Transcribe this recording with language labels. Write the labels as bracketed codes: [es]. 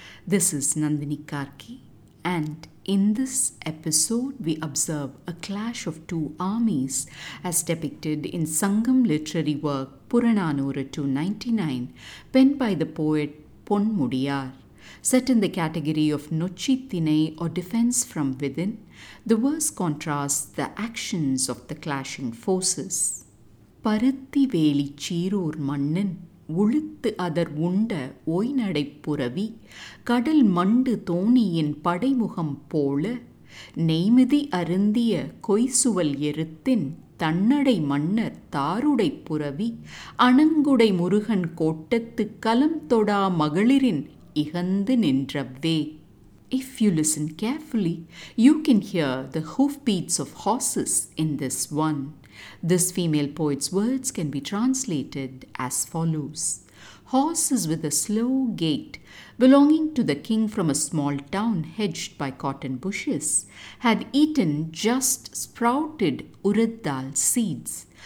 [en] This is Nandini Karki, and in this episode we observe a clash of two armies as depicted in Sangam literary work Puranaanooru 299, penned by the poet Pon Mudiyaar. Set in the category of Nochchi Thinai or defense from within, the verse contrasts the actions of the clashing forces. [ta] பருத்தி வேலி சீரோர் மன்னன் உளுத்து other உண்ட ஒய்நடை புறவி கடல் மண்டு தோணியின் படைமுகம் போல நெய்மிதி அருந்திய கொய்சுவல் எருத்தின் தன்னடை மன்னர் தாருடை புறவி அணங்குடை முருகன் கோட்டத்து கலம் தொடா மகளிரின் இகந்து நின்றவ்வே. [en] If you listen carefully, you can hear the hoofbeats of horses in this one. This female poet's words can be translated as follows. Horses with a slow gait, belonging to the king from a small town hedged by cotton bushes, had eaten just sprouted urad dal seeds.